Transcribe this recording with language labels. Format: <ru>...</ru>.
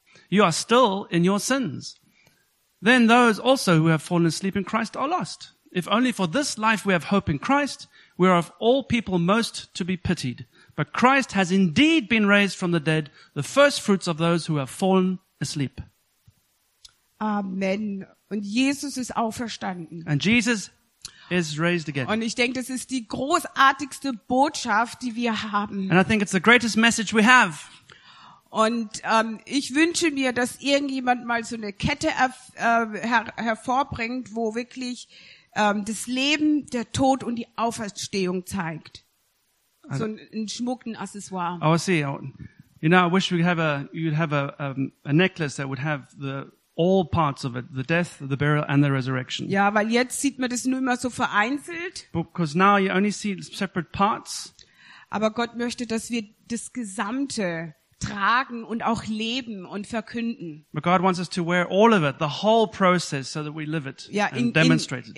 <en>You are still in your sins. Then those also who have fallen asleep in Christ are lost. If only for this life we have hope in Christ, we are of all people most to be pitied. But Christ has indeed been raised from the dead, the first fruits of those who have fallen asleep.</en> <de>Amen. Und Jesus ist auferstanden.</de> <en>And Jesus is raised again.</en> <de>Und ich denke, das ist die großartigste Botschaft, die wir haben.</de> <en>And I think it's the greatest message we have.</en> <de>Und ich wünsche mir, dass irgendjemand mal so eine Kette hervorbringt, wo wirklich das Leben, der Tod und die Auferstehung zeigt. So ein schmucken Accessoire.</de> <en>Oh, I see. You know, I wish we have a necklace that would have the all parts of it, the death, the burial and the resurrection.</en> <de>Ja, weil jetzt sieht man das nur immer so vereinzelt.</de> <en>Because now you only see separate parts.</en> <de>Aber Gott möchte, dass wir das Gesamte tragen und auch leben und verkünden.</de> <en>But God wants us to wear all of it, the whole process, so that we live it and demonstrate it.</en>